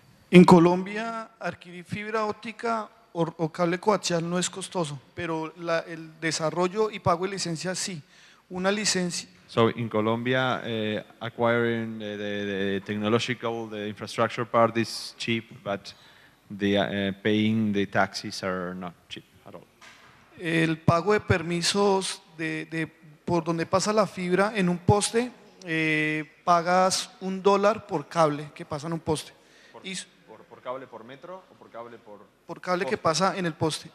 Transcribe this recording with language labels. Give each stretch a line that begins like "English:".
Spanish: En Colombia, adquirir fibra óptica o cable coaxial no es costoso, pero la, el desarrollo y pago de licencia sí. Una licencia.
English: So in Colombia, acquiring the technological, the infrastructure part is cheap, but the paying the taxes are not cheap at all.
Spanish: El pago de permisos de por donde pasa la fibra en un poste, pagas $1 por cable que pasa en un poste. ¿Por cable por metro o por cable por...? Por cable poste. Que pasa en el poste.